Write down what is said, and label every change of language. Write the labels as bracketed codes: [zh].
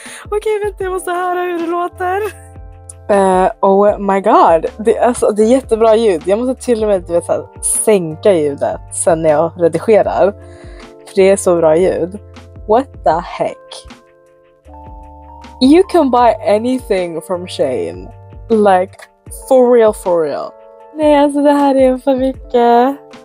[sv] Okej, vänta, jag måste höra hur det låter. [en] Oh my god, [sv] det är jättebra ljud. Jag måste till och med sänka ljudet sen när jag redigerar. För det är så bra ljud. [en] What the heck? You can buy anything from Shein. Like, for real, for real. [sv] Nej, alltså det här är för mycket.